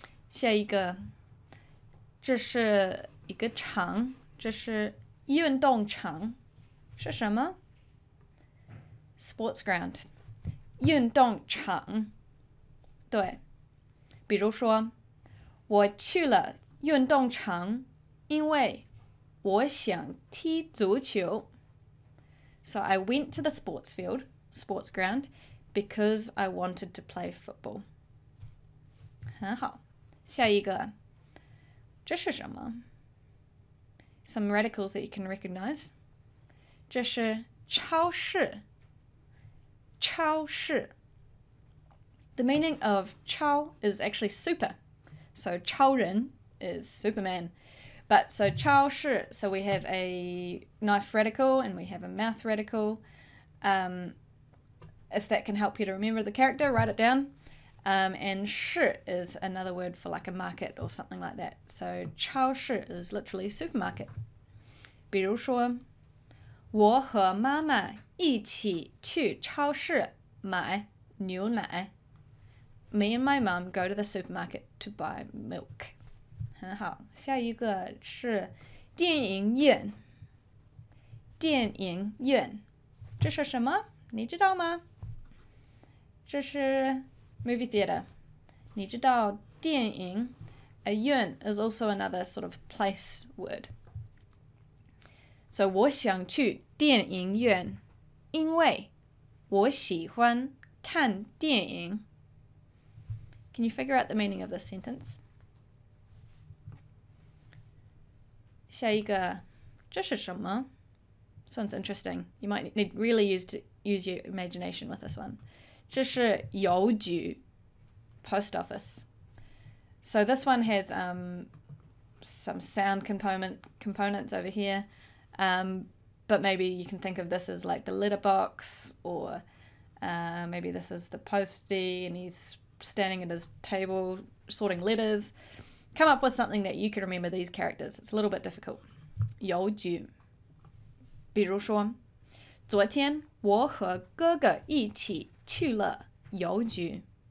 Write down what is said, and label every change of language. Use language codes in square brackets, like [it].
[zh] 下一个，这是一个场，这是运动场是什么 ？Sports ground， 运动场。对，比如说，我去了运动场，因为我想踢足球。 [en] So I went to the sports field, sports ground, because I wanted to play football. [zh] 很好，下一个，这是什么？ [en] Some radicals that you can recognize. [zh] 这是超市。超市。 [en] The meaning of 超 is actually super. So 超人 is Superman. But so 超市, so we have a knife radical and we have a mouth radical. If that can help you to remember the character, write it down. And 市 is another word for like a market or something like that. So 超市 is literally supermarket. [zh] 比如说，我和妈妈一起去超市买牛奶。 [en] Me and my mom go to the supermarket to buy milk. [zh] 很好，下一个是电影院。电影院，这是什么？你知道吗？ [en] 这是 movie theater. [zh] 你知道电影 [en] ？A 院 is also another sort of place word. [zh] So 我想去电影院，因为我喜欢看电影。 [en] Can you figure out the meaning of this sentence? [zh] 下一个，这是什么？ [en] This one's interesting. You might need really use your imagination with this one. [zh] 这是邮局 [en] post office. So this one has some sound components over here. But maybe you can think of this as like the letterbox, or maybe this is the postie and he's standing at his table sorting letters. Come up with something that you can remember these characters. It's a little bit difficult. [zh] 邮局，比如说，昨天我和哥哥一起去了邮局。